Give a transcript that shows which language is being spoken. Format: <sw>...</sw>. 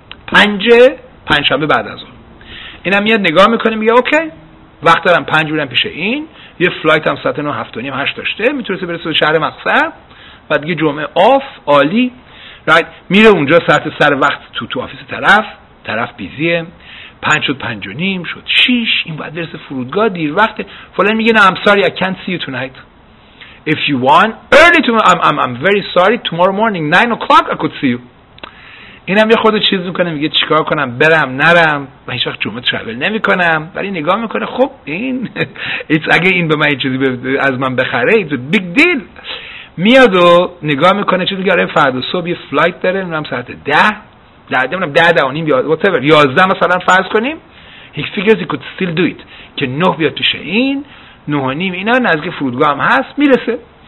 <fa>5 پنجشنبه بعد از اون. اینا میاد نگاه می‌کنه میگه اوکی وقت دارم 5 میرم پیش این، یه فلایت هم ساعت 9:30 8 داشته، میتونه برسه به شهر مقصد و دیگه جمعه آف عالی. رایت میره اونجا ساعت سر وقت تو آفیس طرف، طرف بیزیه. 5 شد 5:30 شد 6، این باید برسه فرودگاه دیر وقته فلان.</fa> <en>میگه نه I'm sorry I can't see you tonight if you want early tomorrow I'm very sorry tomorrow morning 9 o'clock I could see you.</en> <fa>اینم یه خود چیز میکنه میگه چیکار کنم برم نرم، من هیچ وقت جمعه ترافل نمیکنم. ولی نگاه میکنه خب این اگه این به من چیزی از من بخره</fa> <en>it's a big deal.</en> <fa>میاد و نگاه میکنه چیز میگه آره فردا صبح یه فلایت داره اونم ساعت 10 دردمونم 10:30 بیاد whatever 11 مثلا فرض کنیم</fa> <en>he figures he could still do it</en> <fa>که 9 بیاد پیشه این 9:30 اینا نزدیک فرودگاه هم هست میرسه.</fa>